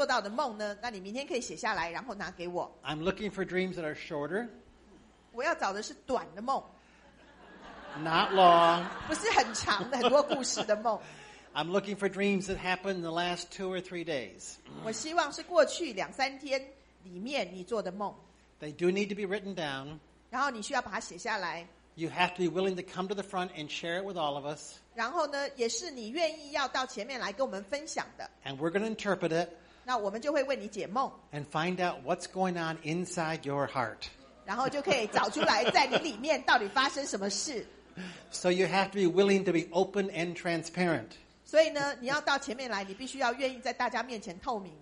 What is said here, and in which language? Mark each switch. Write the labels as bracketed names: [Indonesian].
[Chinese] 所以如果你过去几天已经有一个梦，或者是你昨天，或是你今天晚上做到的梦呢，那你明天可以写下来，然后拿给我。 [English] I'm looking for dreams that are shorter. [Chinese] 我要找的是短的梦。 [English] Not long. [Chinese] 不是很长的，很多故事的梦。 [English] I'm looking for dreams that happened in the last 2 or 3 days. [Chinese] 我希望是过去两三天里面你做的梦。 [English] They do need to be written down. [Chinese] 然后你需要把它写下来。 [English] You have to be willing to come to the front and share it with all of us. [Chinese] 然后呢，也是你愿意要到前面来跟我们分享的。 [English] And we're going to interpret it. [Chinese] 那我们就会为你解梦。 [English] And find out what's going on inside your heart. [Chinese] 然后就可以找出来在你里面到底发生什么事。 [English] So you have to be willing to be open and transparent. [Chinese] 所以呢，你要到前面来，你必须要愿意在大家面前透明。